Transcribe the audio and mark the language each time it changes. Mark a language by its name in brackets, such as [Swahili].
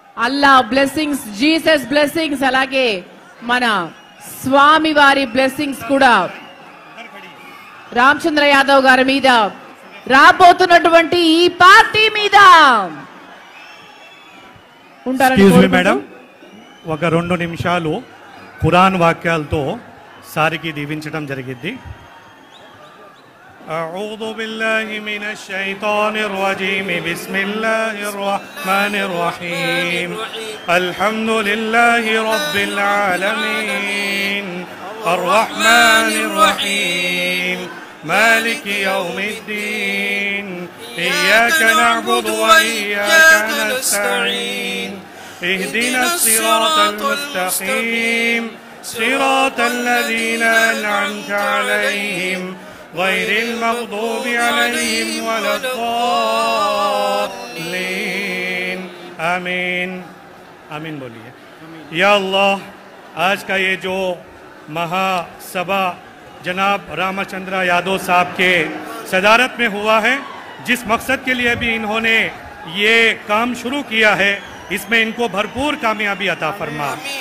[Telugu] అల్లా blessings, Jesus blessings, అలాగే మన స్వామి వారి బ్లెస్సింగ్స్ కూడా రామచంద్ర యాదవ్ గారి మీద, రాబోతున్నటువంటి ఈ పార్టీ మీద ఉంటారని మేడం. ఒక 2 నిమిషాలు ఖురాన్ వాక్యాలతో సారికి దీవించడం జరిగింది. [Arabic] أعوذ بالله من الشيطان الرجيم بسم الله الرحمن الرحيم الحمد لله رب العالمين الرحمن الرحيم مالك يوم الدين إياك نعبد وإياك نستعين اهدنا الصراط المستقيم صراط الذين أنعمت عليهم غير المغضوب عليهم ولا الضالين آمين [Urdu] آمين بولیے. یا اللہ آج کا یہ جو مہا سبھا جناب راما چندرا یادو صاحب کے صدارت میں ہوا ہے, جس مقصد کے لیے بھی انہوں نے یہ کام شروع کیا ہے, اس میں ان کو بھرپور کامیابی عطا فرما.